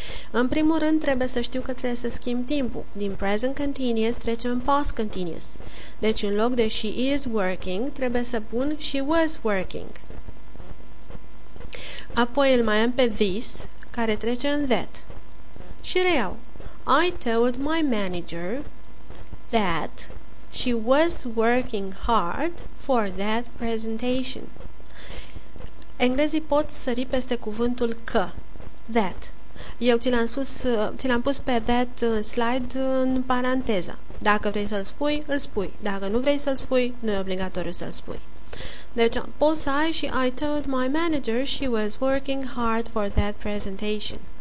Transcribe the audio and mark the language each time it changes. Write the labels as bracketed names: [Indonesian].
[Romanian] În primul rând, trebuie să știu că trebuie să schimb timpul. Din present continuous trecem în past continuous. Deci, în loc de [English] she is working, [Romanian] trebuie să pun [English] she was working. [Romanian] Apoi îl mai am pe this, care trece în that. Și reiau. [English] I told my manager that she was working hard for that presentation. [Romanian] Englezii pot sări peste cuvântul că, that. Eu ți l-am pus pe that slide în paranteză. Dacă vrei să-l spui, îl spui. Dacă nu vrei să-l spui, nu e obligatoriu să-l spui. Deci, poți să ai și [English] I told my manager she was working hard for that presentation.